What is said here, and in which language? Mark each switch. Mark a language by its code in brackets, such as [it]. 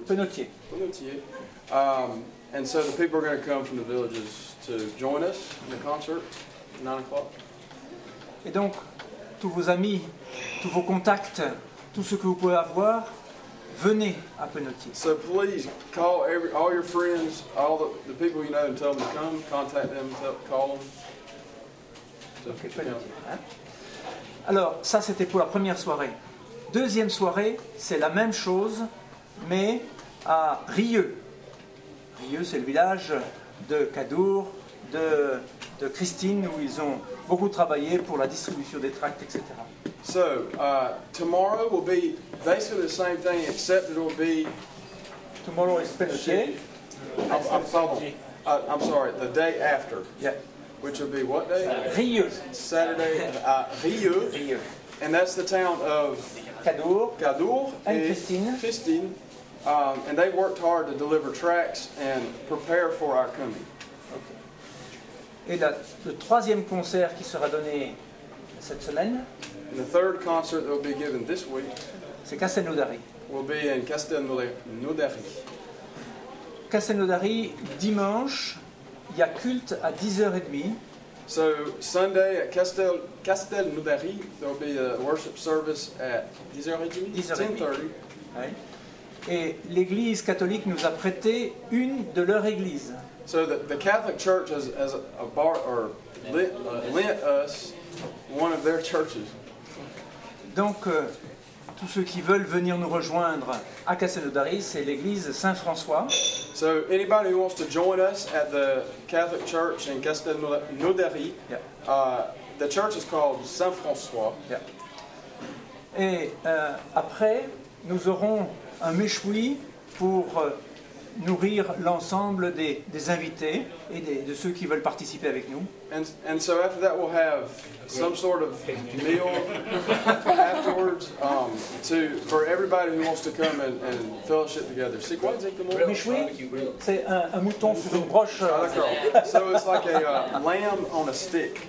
[en] And so the people are going to come from the villages to join us in the concert at 9 o'clock. [fr] Et donc, tous vos amis, tous vos contacts, tout ce que vous pouvez avoir, venez à Penautier. [en] So please call all your friends, all the people you know, and tell them to come, contact them, call them. [fr] Okay, Penautier. Hein? Alors, ça c'était pour la première soirée. Deuxième soirée, c'est la même chose, mais à Rieux. Rieux, c'est le village de Cadour, de Christine, où ils ont beaucoup travaillé pour la distribution des tracts, etc. [en] So, tomorrow will be basically the same thing, except it will be... Tomorrow is Penautier. I'm sorry, the day after. Yeah. Which will be what day? Rieux. Saturday, Rieux. Rieux. And that's the town of... Cadour and Christine. Christine. And they worked hard to deliver tracts and prepare for our coming. [fr] Et le troisième concert qui sera donné cette semaine, [en] and the third concert that will be given this week, [fr] c'est Castelnaudary. [en] Will be in Castelnaudary. [fr] Castelnaudary, dimanche, il y a culte à 10h30. [en] So Sunday at Castelnaudary, there will be a worship service at 10h30. [fr] Oui. Et l'église catholique nous a prêté une de leur église. [en] So the Catholic Church has lent us one of their churches. [fr] Donc, tous ceux qui veulent venir nous rejoindre à Castelnaudary, c'est l'église Saint-François. [en] So anybody who wants to join us at the Catholic Church in Castelnaudary, the church is called Saint-François. [fr] Yeah. Et après, nous aurons un méchoui pour... nourrir l'ensemble des invités et de ceux qui veulent participer avec nous. [en] And so after that we'll have some sort of meal afterwards for everybody who wants to come and fellowship together. [fr] C'est quoi exactement? Méchoui, c'est un mouton sur une broche. Ah, d'accord. [en] So it's like a lamb on a stick.